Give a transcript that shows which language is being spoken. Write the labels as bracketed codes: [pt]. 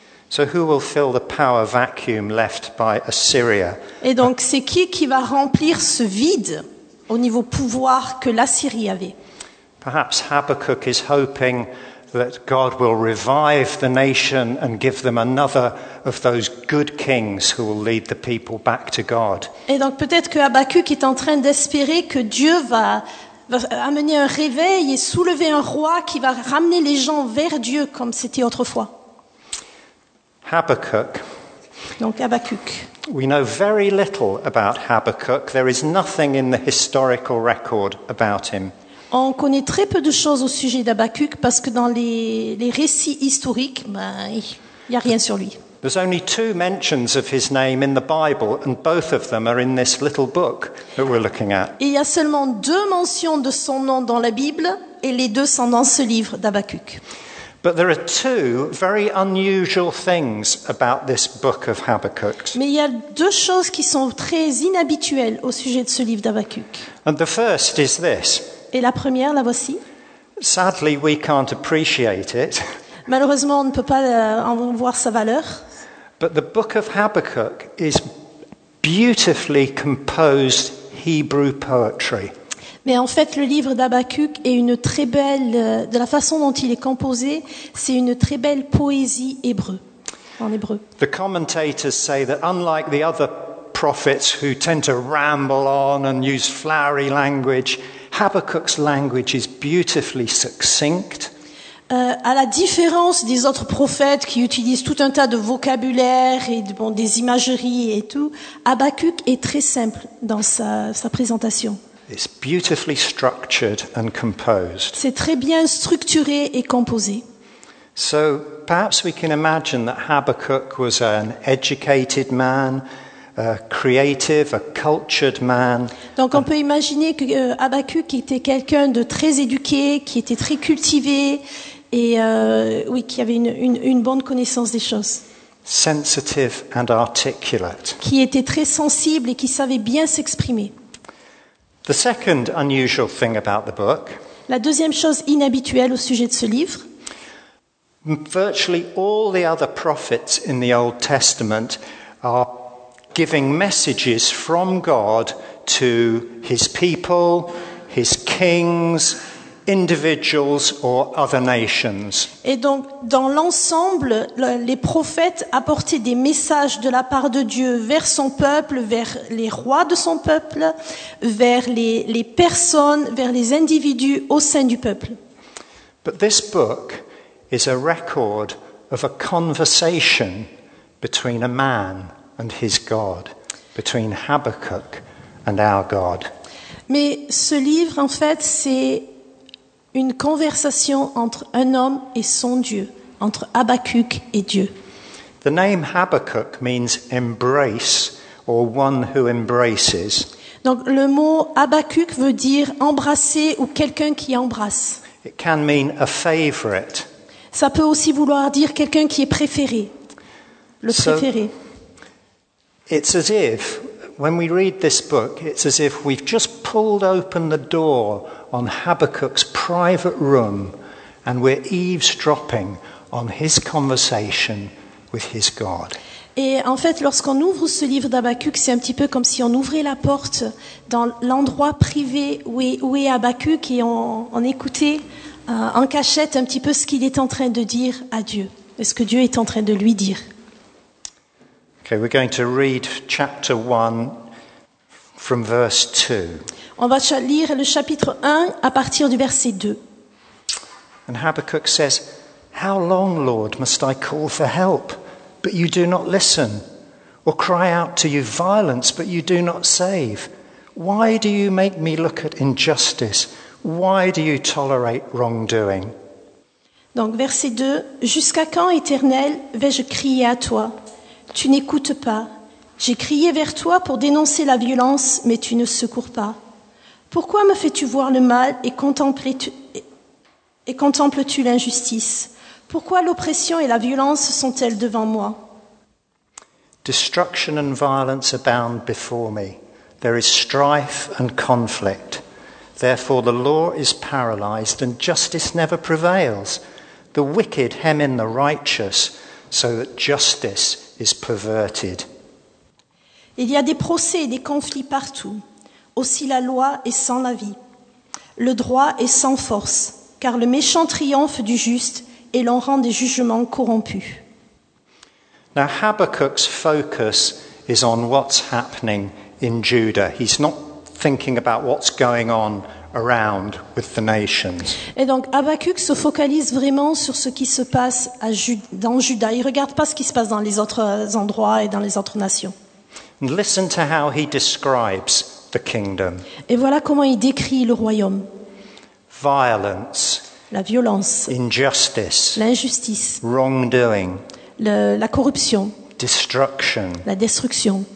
[en] So who will fill the power vacuum left by Assyria? [fr] Et donc c'est qui va remplir ce vide au niveau pouvoir que l'Assyrie avait? [en] Perhaps Habakkuk is hoping that God will revive the nation and give them another of those good kings who will lead the people back to God. [fr] Et donc peut-être que Habakkuk est en train d'espérer que Dieu va va amener un réveil et soulever un roi qui va ramener les gens vers Dieu comme c'était autrefois. [en] Habakkuk. [fr] Donc Habakkuk. [en] We know very little about Habakkuk. There is nothing in the historical record about him. [fr] On connaît très peu de choses au sujet d'Habakkuk parce que dans les récits historiques, il n'y a rien sur lui. [en] There's only two mentions of his name in the Bible, and both of them are in this little book that we're looking at. [fr] Il y a seulement deux mentions de son nom dans la Bible, et les deux sont dans ce livre d'Habakkuk. [en] But there are two very unusual things about this book of Habakkuk. [fr] Mais il y a deux choses qui sont très inhabituelles au sujet de ce livre d'Habakkuk. [en] And the first is this. [fr] Et la première, la voici. [en] Sadly, we can't appreciate it. [fr] Malheureusement, on ne peut pas en voir sa valeur. [en] But the book of Habakkuk is beautifully composed Hebrew poetry. [fr] Mais en fait, le livre d'Habakkuk est une très belle, de la façon dont il est composé, c'est une très belle poésie hébreu, en hébreu. [en] The commentators say that unlike the other prophets who tend to ramble on and use flowery language, Habakkuk's language is beautifully succinct. [fr] À la différence des autres prophètes qui utilisent tout un tas de vocabulaire et des imageries et tout, Habakkuk est très simple dans sa présentation. [en] It's beautifully structured and composed. [fr] C'est très bien structuré et composé. [en] So perhaps we can imagine that Habakkuk was an educated man, a creative, a cultured man. [fr] Donc on peut imaginer que Habakkuk était quelqu'un de très éduqué, qui était très cultivé et oui, qui avait une bonne connaissance des choses. [en] Sensitive and articulate. [fr] Qui était très sensible et qui savait bien s'exprimer. [en] The second unusual thing about the book. [fr] La deuxième chose inhabituelle au sujet de ce livre. [en] Virtually all the other prophets in the Old Testament are giving messages from God to his people, his kings, individuals or other nations. [fr] Et donc dans l'ensemble, les prophètes apportaient des messages de la part de Dieu vers son peuple, vers les rois de son peuple, vers les personnes, vers les individus au sein du peuple. [en] But this book is a record of a conversation between a man and his God, between Habakkuk and our God. [fr] Mais ce livre, en fait, c'est une conversation entre un homme et son Dieu, entre Habakkuk et Dieu. [en] The name Habakkuk means embrace or one who embraces. [fr] Donc le mot Habakkuk veut dire embrasser ou quelqu'un qui embrasse. [en] It can mean a favorite. [fr] Ça peut aussi vouloir dire quelqu'un qui est préféré, le préféré. [en] It's as if, when we read this book, it's as if we've just pulled open the door on Habakkuk's private room and we're eavesdropping on his conversation with his God. [fr] Et en fait, lorsqu'on ouvre ce livre d'Habakkuk, c'est un petit peu comme si on ouvrait la porte dans l'endroit privé où est Habakkuk et on écoutait en cachette un petit peu ce qu'il est en train de dire à Dieu, ce que Dieu est en train de lui dire. [en] Okay, we're going to read chapter 1 from verse 2. [fr] On va lire le chapitre 1 à partir du verset 2. [en] And Habakkuk says, "How long, Lord, must I call for help, but you do not listen? Or cry out to you violence, but you do not save? Why do you make me look at injustice? Why do you tolerate wrongdoing?" [fr] Donc verset 2, jusqu'à quand, Éternel, vais-je crier à toi? Tu n'écoutes pas. J'ai crié vers toi pour dénoncer la violence, mais tu ne secours pas. Pourquoi me fais-tu voir le mal et contemples-tu l'injustice? Pourquoi l'oppression et la violence sont-elles devant moi? [en] Destruction and violence abound before me. There is strife and conflict. Therefore the law is paralyzed and justice never prevails. The wicked hem in the righteous so that justice is perverted. [fr] Il y a des procès et des conflits partout. Aussi la loi est sans la vie. Le droit est sans force, car le méchant triomphe du juste et l'on rend des jugements corrompus. [en] Now Habakkuk's focus is on what's happening in Judah. He's not thinking about what's going on around with the nations. [fr] Et donc Habakkuk se focalise vraiment sur ce qui se passe dans Juda. Il regarde pas ce qui se passe dans les autres endroits et dans les autres nations. [en] And listen to how he describes the kingdom. [fr] Et voilà comment il décrit le royaume. [en] Violence. [fr] La violence. [en] Injustice. [fr] L'injustice. [en] Wrongdoing. [fr] La corruption. [en] Destruction. [fr] La destruction.